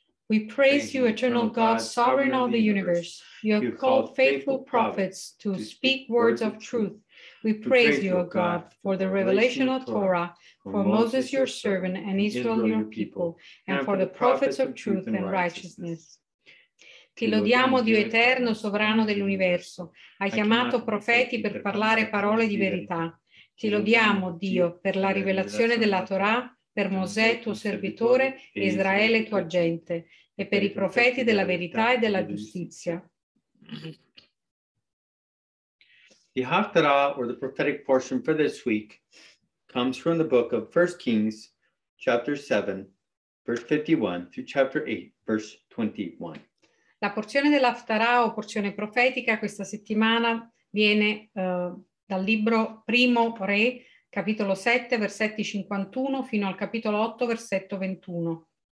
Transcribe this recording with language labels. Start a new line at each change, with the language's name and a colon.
English: We praise you, eternal God, sovereign of the universe. You have called faithful prophets to speak words of truth. We praise you, O God, for the revelation of Torah, for Moses your servant and Israel your people, and for the prophets of truth and righteousness.
Italian: Ti lodiamo, Dio eterno, sovrano dell'universo. Hai chiamato profeti per parlare parole di verità. Ti lodiamo, Dio, per la rivelazione della Torah, per Mosè, tuo servitore, e Israele, tua gente, e per i profeti della verità e della giustizia.
English: The Haftarah, or the prophetic portion for this week, comes from the book of 1 Kings, chapter 7, verse 51, through chapter 8, verse 21.
Italian: La porzione dell'Haftarah, o porzione profetica, questa settimana viene dal libro Primo Re, capitolo 7, versetti 51, fino al capitolo 8, versetto 21.